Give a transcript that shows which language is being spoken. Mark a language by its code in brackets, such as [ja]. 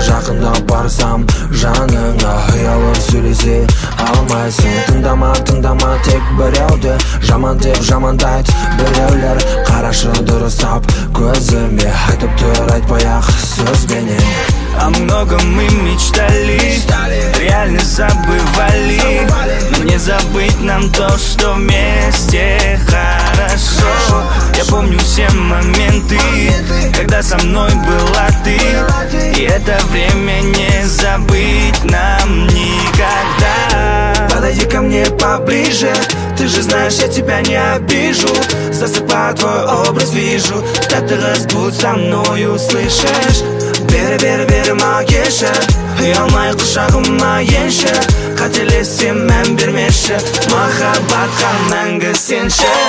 [kk] Жақындап барсам жаныңа, ұялып сөйлесе алмайсың. Тыңдама, тыңдама тек біреуді, жаман деп жамандайды біреулер. Қарашы дұрыстап көзіме, айтып тұр айтпай-ақ сөзбенен. [ru] О многом мы мечтали, реально забывали. Но не забыть нам то, что вместе хорошо. Я помню все моменты, когда со мной была ты. И это время не забыть нам никогда. Подойди ко мне поближе, ты же знаешь, я тебя не обижу. Засыпаю, твой образ вижу, да ты разбудь со мною, слышишь? [kk] Бері-бері-бері мағеші, ұялмай құшағыма енші. Қателесем мән бермеші, махаббатқа мәңгі сенші.